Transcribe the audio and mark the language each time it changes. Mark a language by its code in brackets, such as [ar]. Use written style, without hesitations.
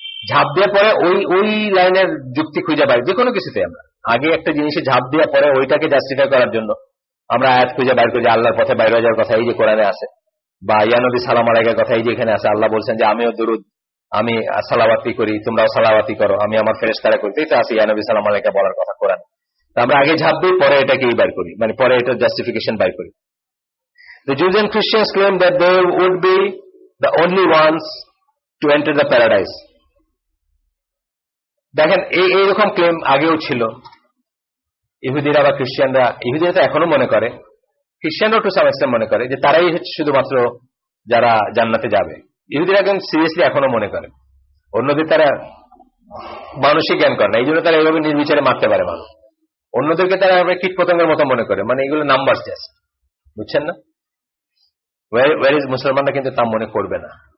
[bn] ঝাঁপ দেওয়ার পরে ওই ওই লাইনের যুক্তি খুঁজে পাই যে কোনো কিছুতে, আমরা আগে একটা জিনিসে ঝাঁপ দেওয়ার পরে ওইটাকে জাস্টিফাই করার জন্য আমরা আয়াত খুঁজে বাইর করি যে আল্লাহর পথে বাইরে যাওয়ার কথা এই যে কোরআনে আছে বা ইয়ানবী সালাম আলাইকার কথা এই যে এখানে আছে, আল্লাহ বলছেন যে আমিও দুরুদ আমি সালাবাতি করি তোমরাও সালাবাতি করো আমি আমার ফেরেশতারা করি, এটা আছে ইয়ানবী সালাম আলাইকা বলার কথা কোরআন, তা আমরা আগে ঝাঁপ দিই পরে এটাকে এই বাইর করি মানে পরে এটার জাস্টিফিকেশন বাইর করি। [en] The Jews and Christians claim that they would be the only ones to enter the paradise. [bn] দেখেন এই এইরকম ক্লেম আগেও ছিল, ইহুদিরা বা খ্রিস্টানরা, ইহুদিরা তো এখনো মনে করে, খ্রিস্টানরা [en] to some extent [bn] মনে করে যে তারাই হচ্ছে শুধুমাত্র যারা জান্নাতে যাবে, ইহুদিরা কিন্তু সিরিয়াসলি এখনো মনে করে, অন্যদের তারা মানসিক জ্ঞান করে না এই জন্য তারা এইভাবে নির্বিচারে মারতে পারে মানুষ, অন্যদেরকে তারা এভাবে কীট পতঙ্গের মতো মনে করে, মানে এগুলো নাম্বার জাস্ট, বুঝছেন না, ওয়ারিজ মুসলমানরা কিন্তু তা মনে করবে না।